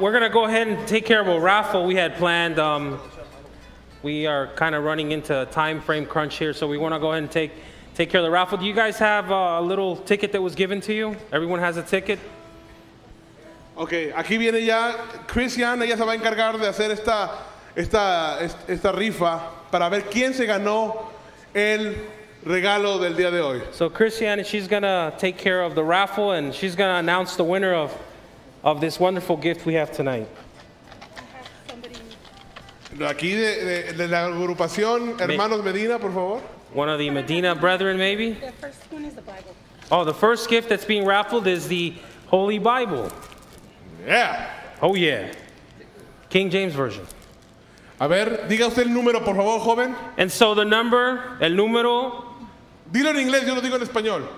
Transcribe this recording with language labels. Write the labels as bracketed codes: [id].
[en] We're going to go ahead and take care of a raffle we had planned. We are kind of running into a time frame crunch here, so we want to go ahead and take care of the raffle. Do you guys have a little ticket that was given to you? Everyone has a ticket? [es] Okay, aquí viene ya Christian. Ella se va a encargar de hacer esta rifa para ver quién se ganó el regalo del día de hoy. [en] So Christiane, she's going to take care of the raffle and she's going to announce the winner of this wonderful gift we have tonight. [es] Aquí de la agrupación Hermanos Medina, por favor. [en] One of the Medina brethren, maybe. The first one is the Bible. Oh, the first gift that's being raffled is the Holy Bible. Yeah. Oh, yeah. King James Version. [es] A ver, diga usted el número, por favor, joven. [en] And so the number, [es] el número. Dilo en inglés, yo lo digo en español.